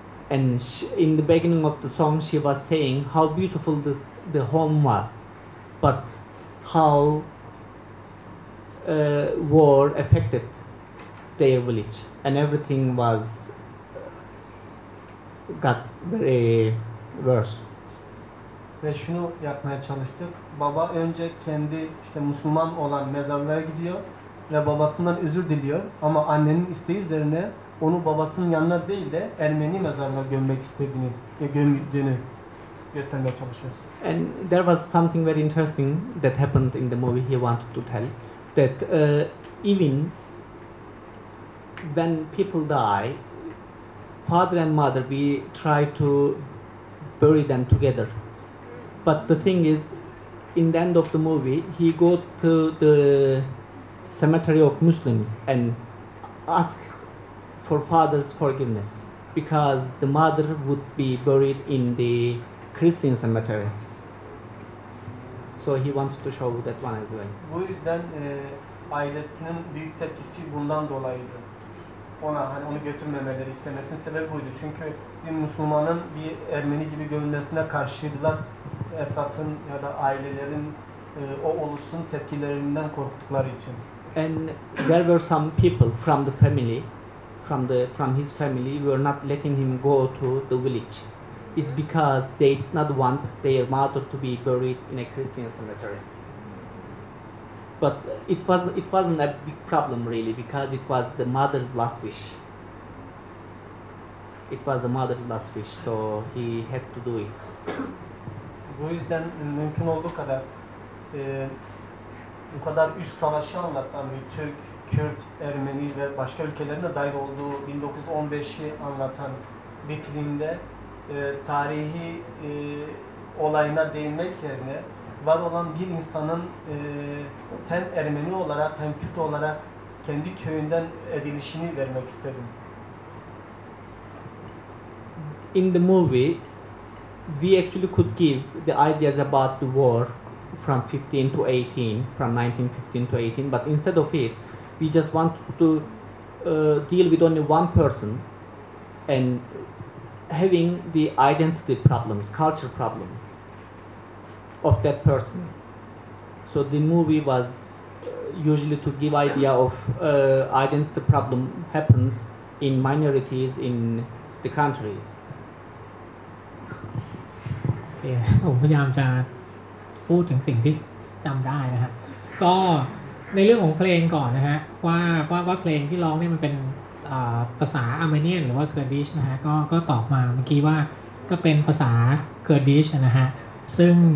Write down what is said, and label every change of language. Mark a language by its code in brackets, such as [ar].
[en] And in the beginning of the song, she was saying how beautiful the home was, but how war affected their village, and everything was got very worse. [tr] Ve şunu yapmaya çalıştık. Baba önce kendi işte Müslüman olan mezarlığa gidiyor ve babasından özür diliyor, ama annenin isteği üzerine onu babasının yanına değil de Ermeni mezarına gömmek istediğini ve gömdüğünü göstermeye çalışıyoruz. [en] And there was something very interesting that happened in the movie he wanted to tell, that even when people die, father and mother, we try to bury them together. But the thing is, in the end of the movie, he go to the cemetery of Muslims and ask for father's forgiveness, because the mother would be buried in the Christian cemetery. So he wants to show that one as well. [tr] Bu yüzden ailesinin büyük tepkisi bundan dolayıydı. Ona hani onu götürmemeleri istemesinin sebebi buydu. Çünkü bir Müslümanın bir Ermeni gibi görünmesine karşıydılar. Etrafın ya da ailelerin o ulusun tepkilerinden korktukları için. [en] And there were some people from the family, from his family, were not letting him go to the village. It's because they did not want their mother to be buried in a Christian cemetery. But it wasn't a big problem really, because it was the mother's last wish. It was the mother's last wish, so he had to do it. [tr] Bu yüzden mümkün olduğu kadar bu kadar üç savaşı anlatan bir Türk, Kürt, Ermeni ve başka ülkelerine dahil olduğu 1915'i anlatan bir filmde tarihi olayına değinmek yerine var olan bir insanın hem Ermeni olarak hem Kürt olarak kendi köyünden edilişini vermek istedim. [en] In the movie, we actually could give the ideas about the war from 15 to 18, from 1915 to 18, but instead of it, we just want to deal with only one person and having the identity problems, culture problem of that person. So the movie was usually to give idea of identity problem happens in minorities in the countries. [th] ผมพยายามจะพูดถึงสิ่งที่จำได้นะฮะก็ในเรื่องของเพลงก่อนนะฮะว่าเพลงที่ร้องเนี่ยมันเป็นภาษาอาร์เมเนียนหรือว่าเคอร์ดิชนะฮะก็ตอบมาเมื่อกี้ว่าก็เป็นภาษาเคอร์ดิชนะฮะซึ่ง